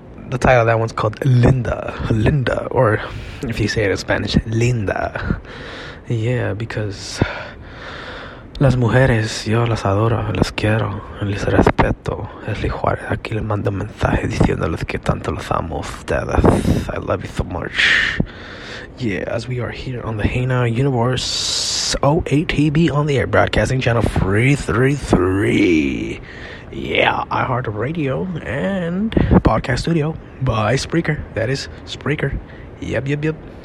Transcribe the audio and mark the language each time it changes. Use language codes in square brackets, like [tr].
[en] The title of that one's called Linda, or if you say it in Spanish, Linda. Yeah, because [es] las mujeres, yo las adoro, las quiero, les respeto. Esli Juárez, aquí le mando un mensaje diciéndoles que tanto los amo ustedes. [en] I love you so much. Yeah, as we are here on the Hina Universe OATB on the air, broadcasting channel 333. Yeah, iHeart Radio and Podcast Studio by Spreaker. That is Spreaker. Yep.